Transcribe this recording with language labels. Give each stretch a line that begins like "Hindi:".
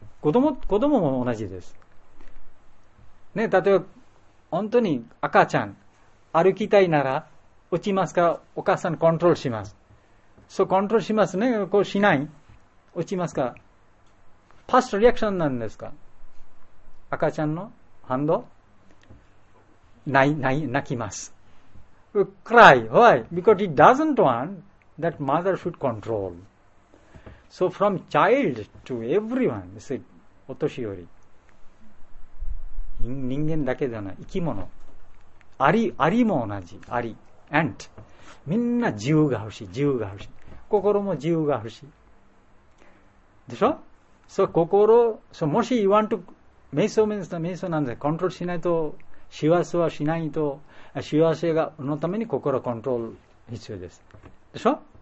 Japanese: 子供も同じです。ね、例えば、本当に赤ちゃん、歩きたいなら、落ちますか？お母さんコントロールします。そう、コントロールしますね。こうしない。落ちますか？ファーストリアクションなんですか、赤ちゃんの反動、ない泣きます。
English: Cry. Why? Because it doesn't want that mother should control. So from child to everyone, this is
Japanese: お年寄り。人間だけじゃない、生き物。アリも同じ。アリ。Ant。 みんな自由が欲しい。自由が欲しい。心も自由が欲しい。でしょ？ So, 心、so, もし
English: you want to
Japanese: 瞑想、瞑想なんで、コントロールしないと、幸せはしないと、幸せがのために心コントロール必要です。でしょ？